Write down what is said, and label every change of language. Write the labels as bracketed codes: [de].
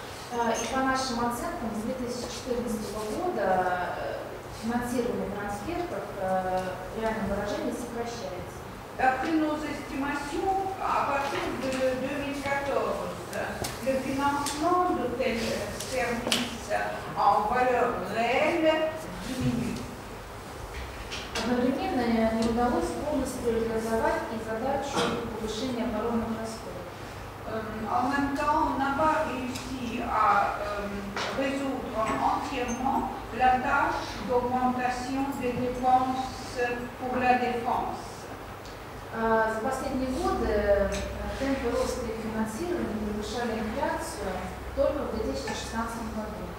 [ru] И по нашим оценкам, с 2014 года финансирование трансфертов в реальном выражении сокращается. [fr] D'après nos estimations, à partir de 2014, le financement de tels services en valeur réelle diminue. [ru] Одновременно, не удалось полностью реализовать и задачу повышения оборонных расходов. [fr] En même temps, on n'a pas réussi à résoudre entièrement la tâche d'augmentation des dépenses pour la défense. [ru] За последние годы темпы роста финансирования превышали инфляцию только в 2016 году.